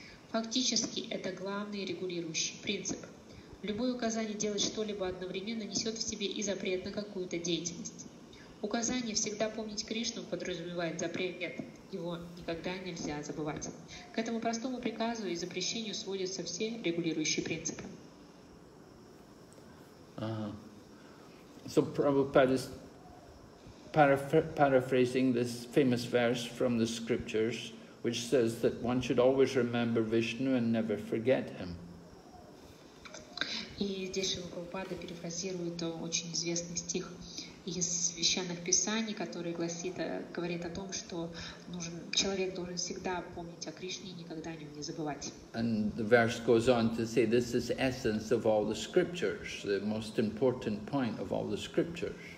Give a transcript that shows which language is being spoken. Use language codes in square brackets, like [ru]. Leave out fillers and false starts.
[ru] Фактически, это главный регулирующий принцип. Любое указание делать что-либо одновременно несет в себе и запрет на какую-то деятельность. Указание всегда помнить Кришну подразумевает запрет, его никогда нельзя забывать. К этому простому приказу и запрещению сводятся все регулирующие принципы. Ага. [en] So Prabhupada is paraphrasing this famous verse from the scriptures, which says that one should always remember Vishnu and never forget him. [ru] И здесь Шрила Прабхупада перефразирует очень известный стих из священных писаний, который гласит, говорит о том, что нужен, человек должен всегда помнить о Кришне и никогда о нем не забывать. [en] And the verse goes on to say, this is the essence of all the scriptures, the most important point of all the scriptures.